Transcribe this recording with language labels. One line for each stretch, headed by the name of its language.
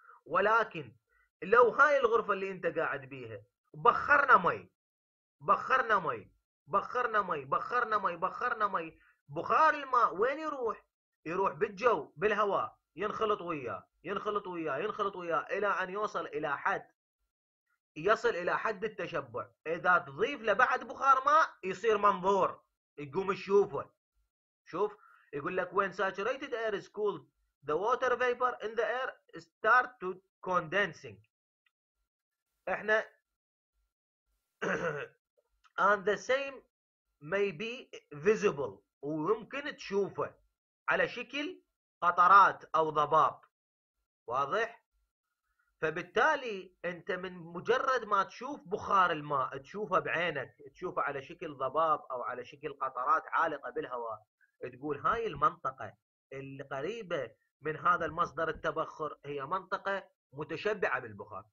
Arabic: ولكن لو هاي الغرفة اللي انت قاعد بيها بخرنا مي، بخرنا مي، بخرنا مي، بخرنا مي، بخرنا مي، بخار الماء وين يروح؟ يروح بالجو بالهواء، ينخلط وياه، ينخلط وياه، ينخلط وياه، إلى أن يوصل إلى حد، يصل إلى حد التشبع. إذا تضيف لبعد بخار ماء يصير منظور، يقوم يشوفه. شوف يقول لك
English: when saturated air is cooled the water vapor in the air start to condensing.
Arabic: إحنا
English: and the same may be visible،
Arabic: وممكن تشوفه على شكل قطرات أو ضباب. واضح؟ فبالتالي أنت من مجرد ما تشوف بخار الماء تشوفه بعينك، تشوفه على شكل ضباب أو على شكل قطرات عالقة بالهواء، تقول هاي المنطقة اللي قريبة من هذا المصدر التبخر هي منطقة متشبعة بالبخار.